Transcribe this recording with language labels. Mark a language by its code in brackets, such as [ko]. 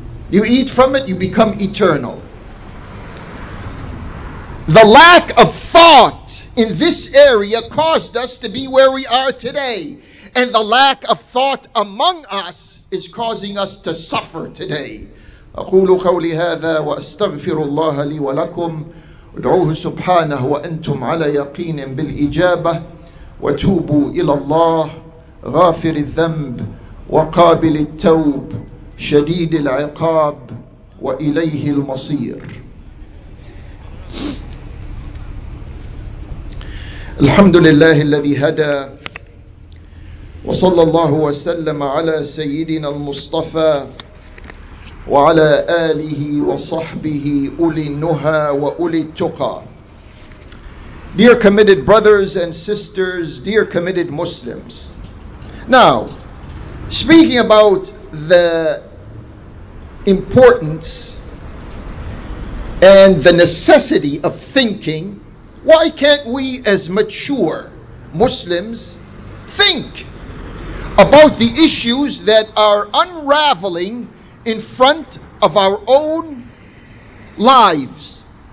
[en] You eat from it, you become eternal. The lack of thought in this area caused us to be where we are today. And the lack of thought among us is causing us to suffer today. [ar] أقول قولي هذا وأستغفر الله لي ولكم ودعوه سبحانه وأنتم على يقين بالإجابة وتوبوا إلى الله غافر الذنب وقابل التوب شديد العقاب وإليه المصير. الحمد لله الذي هدى وصلى الله وسلم على سيدنا المصطفى وعلى آله وصحبه أولي النهى وأولي التقى. [en] Dear committed brothers and sisters, dear committed Muslims. Now, speaking about the importance and the necessity of thinking, why can't we as mature Muslims think about the issues that are unraveling in front of our own lives?